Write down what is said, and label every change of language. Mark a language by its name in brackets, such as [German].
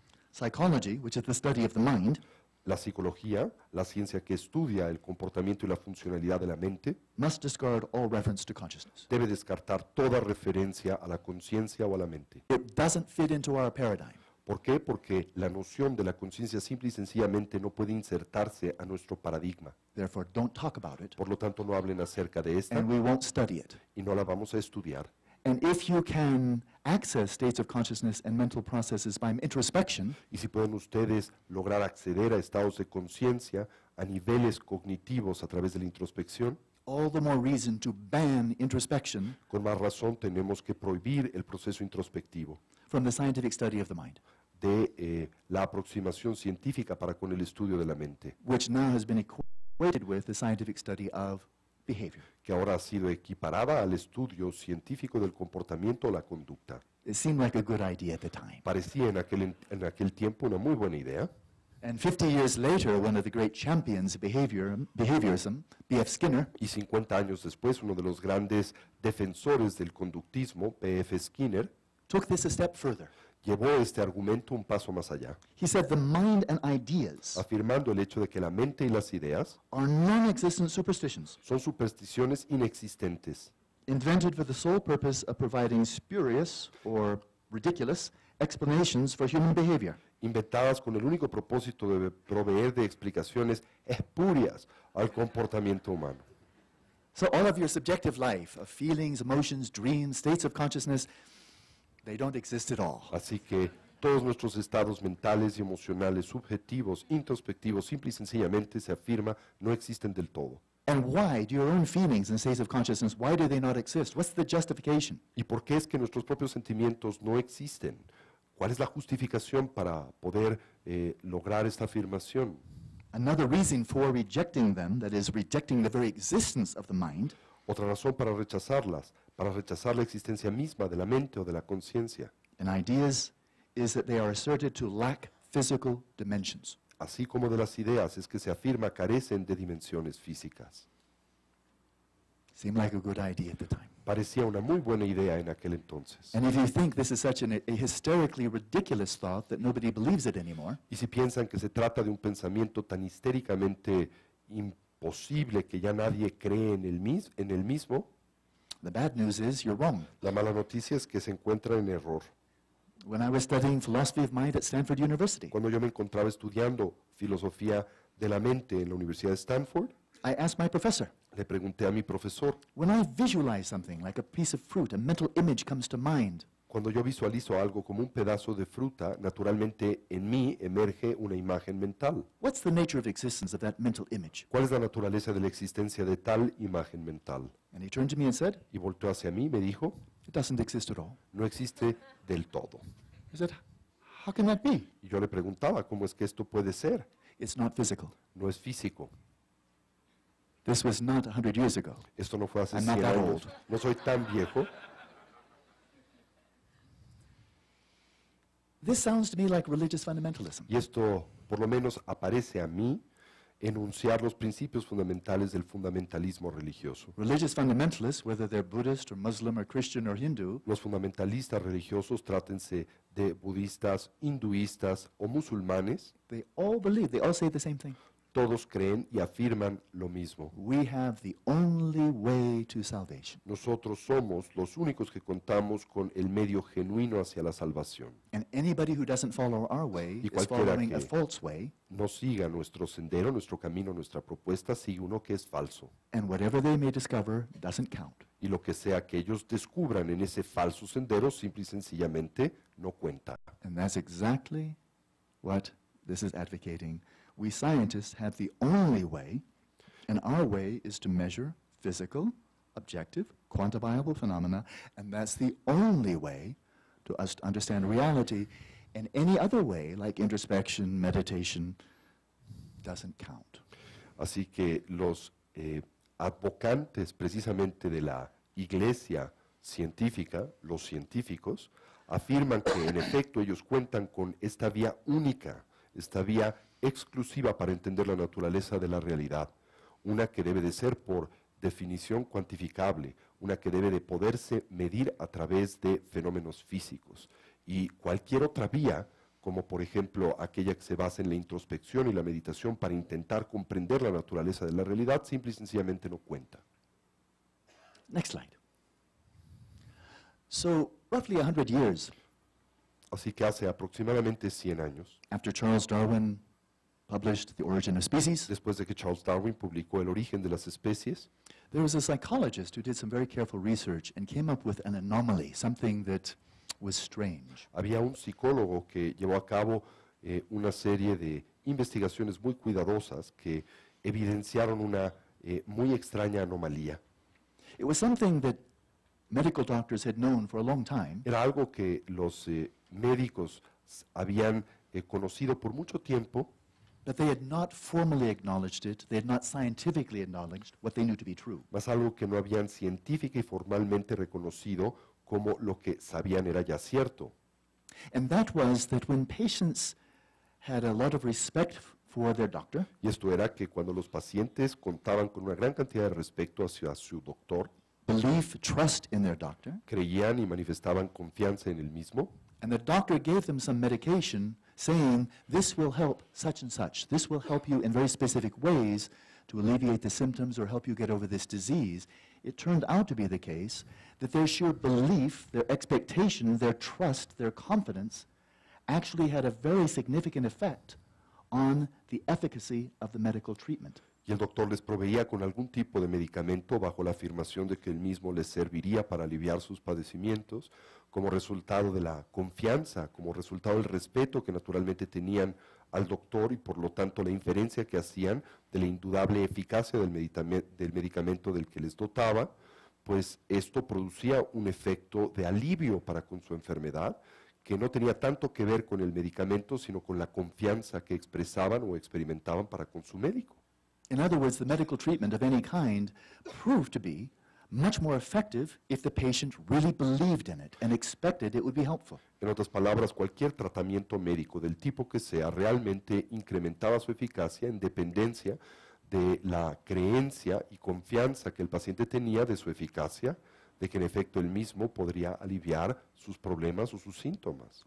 [English] Psychology, which is the study of the mind. [Spanish] La psicología, la ciencia que estudia el comportamiento y la funcionalidad de la mente. [English] Must discard all reference to consciousness. [Spanish] Debe descartar toda referencia a la conciencia o a la mente. [English] It doesn't fit into our paradigm. [Spanish] ¿Por qué? Porque la noción de la conciencia simple y sencillamente no puede insertarse a nuestro paradigma. [English] Therefore, don't talk about it. [Spanish] Por lo tanto, no hablen acerca de esta. [English] And we won't study it. [Spanish] Y no la vamos a estudiar. [English] And if you can access states of consciousness and mental processes by introspection, [Spanish] y si pueden ustedes lograr acceder a estados de conciencia a niveles cognitivos a través de la introspección, [English] all the more reason to ban introspection. [Spanish] Con más razón tenemos que prohibir el proceso introspectivo. [English] From the scientific study of the mind. [Spanish] De la aproximación científica para con el estudio de la mente. [English] Which now has been equated with the scientific study of behavior. [Spanish] Que ahora ha sido equiparada al estudio científico del comportamiento o la conducta. [English] It seemed like a good idea at the time. [Spanish] Parecía en aquel tiempo una muy buena idea. [English] And 50 years later, one of the great champions of behaviorism, B.F. Skinner, [Spanish] y 50 años después, uno de los grandes defensores del conductismo, B.F. Skinner, [English] took this a step further. [Spanish] Llevó este argumento un paso más allá. [English] He said the mind and ideas, [Spanish] afirmando el hecho de que la mente y las ideas, [English] are non-existent superstitions. [Spanish] Son supersticiones inexistentes. [English] Invented for the sole purpose of providing spurious or ridiculous explanations for human behavior. [Spanish] Inventadas con el único propósito de proveer de explicaciones espurias al comportamiento humano. [English] So all of your subjective life, of feelings, emotions, dreams, states of consciousness, they don't exist at all. [Spanish] Así que todos nuestros estados mentales y emocionales, subjetivos, introspectivos, simple y sencillamente se afirma, no existen del todo. [English] And why do your own feelings and states of consciousness, why do they not exist? What's the justification? [Spanish] ¿Y por qué es que nuestros propios sentimientos no existen? ¿Cuál es la justificación para poder lograr esta afirmación? [English] Another reason for rejecting them, that is rejecting the very existence of the mind. [Spanish] Otra razón para rechazarlas, para rechazar la existencia misma de la mente o de la conciencia. [English] And ideas is that they are asserted to lack physical dimensions. [Spanish] Así como de las ideas, es que se afirma carecen de dimensiones físicas. [English] Seemed like a good idea at the time. [Spanish] Parecía una muy buena idea en aquel entonces. [English] And if you think this is such a hysterically ridiculous thought that nobody believes it anymore. [Spanish] Y si piensan que se trata de un pensamiento tan histéricamente imposible que ya nadie cree en el mismo. [English] The bad news is you're wrong. [Spanish] La mala noticia es que se encuentra en error. [English] When I was studying philosophy of mind at Stanford University. [Spanish] Cuando yo me encontraba estudiando filosofía de la mente en la Universidad de Stanford. [English] I asked my professor. [Spanish] Le pregunté a mi profesor. [English] When I visualize something like a piece of fruit, a mental image comes to mind. [Spanish] Cuando yo visualizo algo como un pedazo de fruta, naturalmente en mí emerge una imagen mental. [English] What's the nature of existence of that mental image? [Spanish] ¿Cuál es la naturaleza de la existencia de tal imagen mental? [English] And he turned to me and said. [Spanish] Y volteó hacia mí y me dijo. [English] It doesn't exist at all. [Spanish] No existe del todo. [English] He said, how can that be? [Spanish] Y yo le preguntaba, ¿cómo es que esto puede ser? [English] It's not physical. [Spanish] No es físico. [English] This was not 100 years ago. [Spanish] Esto no fue hace 100 años. [English] I'm not that old. [Spanish] No soy tan viejo. [English] This sounds to me like religious fundamentalism. [Spanish] Y esto, por lo menos, aparece a mí enunciar los principios fundamentales del fundamentalismo religioso. [English] Religious fundamentalists, whether they're Buddhist or Muslim or Christian or Hindu, [Spanish] los fundamentalistas religiosos, trátense de budistas, hinduistas o musulmanes, [English] they all believe, they all say the same thing. [Spanish] Todos creen y afirman lo mismo. [English] We have the only way to salvation. [Spanish] Nosotros somos los únicos que contamos con el medio genuino hacia la salvación. [English] And anybody who doesn't follow our way is following a false way. [Spanish] No siga nuestro sendero, nuestro camino, nuestra propuesta, sigue uno que es falso. [English] And whatever they may discover doesn't count. [Spanish] Y lo que sea que ellos descubran en ese falso sendero, simple y sencillamente, no cuenta. [English] And that's exactly what this is advocating. We scientists have the only way, and our way is to measure physical, objective, quantifiable phenomena, and that's the only way to us to understand reality. And any other way, like introspection, meditation, doesn't count. [Spanish] Así que los advocantes precisamente de la iglesia científica, los científicos, afirman que en efecto ellos cuentan con esta vía única, esta vía exclusiva para entender la naturaleza de la realidad, una que debe de ser por definición cuantificable, una que debe de poderse medir a través de fenómenos físicos. Y cualquier otra vía, como por ejemplo aquella que se basa en la introspección y la meditación para intentar comprender la naturaleza de la realidad, simple y sencillamente no cuenta. [English] Next slide. So, roughly 100 years. [Spanish] Así que hace aproximadamente 100 años. [English] After Charles Darwin published The Origin of Species. [Spanish] Después de que Charles Darwin publicó El origen de las especies, [English] there was a psychologist who did some very careful research and came up with an anomaly, something that was strange. [Spanish] Había un psicólogo que llevó a cabo una serie de investigaciones muy cuidadosas que evidenciaron una muy extraña anomalía. [English] It was something that medical doctors had known for a long time. [Spanish] Era algo que los médicos habían conocido por mucho tiempo. [English] But they had not formally acknowledged it, they had not scientifically acknowledged what they knew to be true. [Spanish] Mas algo que no habían científica y formalmente reconocido como lo que sabían era ya cierto. [English] And that was that when patients had a lot of respect for their doctor. [Spanish] Y esto era que cuando los pacientes contaban con una gran cantidad de respeto hacia su doctor, [English] belief, trust in their doctor, [Spanish] creían y manifestaban confianza en el mismo. [English] And the doctor gave them some medication saying, this will help such and such. This will help you in very specific ways to alleviate the symptoms or help you get over this disease. It turned out to be the case that their sheer belief, their expectation, their trust, their confidence actually had a very significant effect on the efficacy of the medical treatment. [Spanish] Y el doctor les proveía con algún tipo de medicamento bajo la afirmación de que el mismo les serviría para aliviar sus padecimientos como resultado de la confianza, como resultado del respeto que naturalmente tenían al doctor y por lo tanto la inferencia que hacían de la indudable eficacia del medicamento del que les dotaba, pues esto producía un efecto de alivio para con su enfermedad que no tenía tanto que ver con el medicamento sino con la confianza que expresaban o experimentaban para con su médico. [English] In other words, the medical treatment of any kind proved to be much more effective if the patient really believed in it and expected it would be helpful. [Spanish] En otras palabras, cualquier tratamiento médico del tipo que sea realmente incrementaba su eficacia en dependencia de la creencia y confianza que el paciente tenía de su eficacia, de que en efecto el mismo podría aliviar sus problemas o sus síntomas.